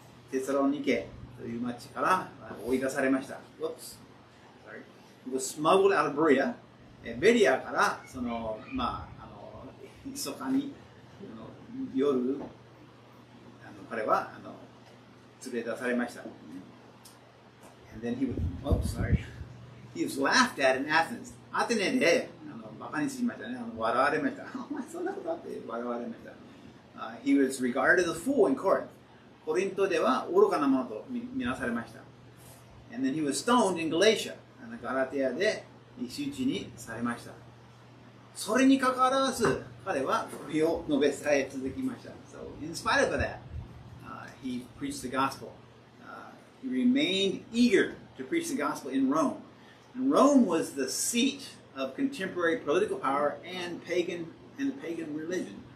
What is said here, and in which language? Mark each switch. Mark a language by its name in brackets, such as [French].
[Japanese] テサロニケという町から追い出されました。 [English] Whoops. Sorry. He was smuggled out of Berea. [Japanese] ベリアからひそかに夜、彼は連れ出されました。 [English] And then he was, He was laughed at in Athens. [Japanese] アテネでバカにしましたね。笑われました。そんなことあって笑われました。 [English] He was regarded as a fool in Corinth. [Japanese] コリントでは愚かなものと見なされました。 [English] And then he was stoned in Galatia. [Japanese] ガラテアで石打ちにされました。それにかかわらず、彼は福音を述べさえ続きました。 [English] So, in spite of that,He preached the gospel. He remained eager to preach the gospel in Rome. And Rome was the seat of contemporary political power and pagan religion.